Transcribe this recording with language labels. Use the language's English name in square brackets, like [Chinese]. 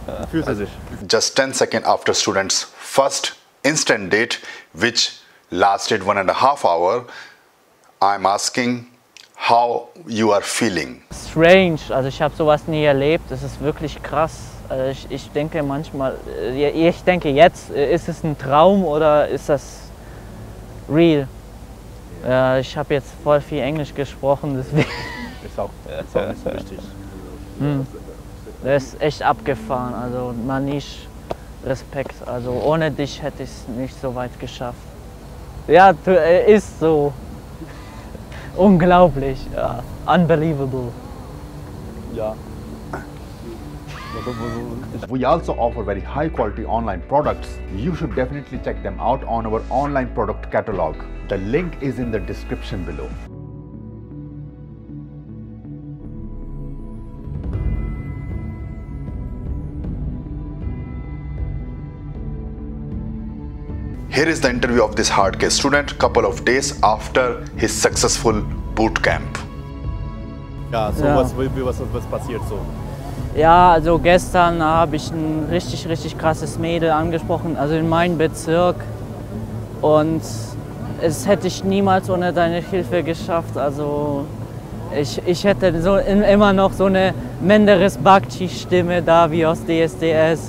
[German] Fühlst du dich? [English] Just 10 seconds after students' first instant date, which lasted 1.5 hours, I'm asking how you are feeling. [German] Strange. Also ich habe sowas nie erlebt. Das ist wirklich krass. Also ich denke manchmal, ich denke jetzt, ist es ein Traum oder ist das real? Ja, ich habe jetzt voll viel Englisch gesprochen, deswegen. Ist auch nicht so wichtig. Das ist echt abgefahren. Also Manish, Respekt. Also ohne dich hätte ich es nicht so weit geschafft. Ja, ist so. Unglaublich, ja. Unbelievable. Ja. [English] We also offer very high quality online products. You should definitely check them out on our online product catalog. The link is in the description below. Here is the interview of this hard case student couple of days after his successful boot camp. [German] Ja, so ja. Was passiert so? Ja, also gestern habe ich ein richtig, richtig krasses Mädel angesprochen, also in meinem Bezirk. Und es hätte ich niemals ohne deine Hilfe geschafft. Also ich hätte so immer noch so eine Menderes Bakchi-Stimme da wie aus DSDS.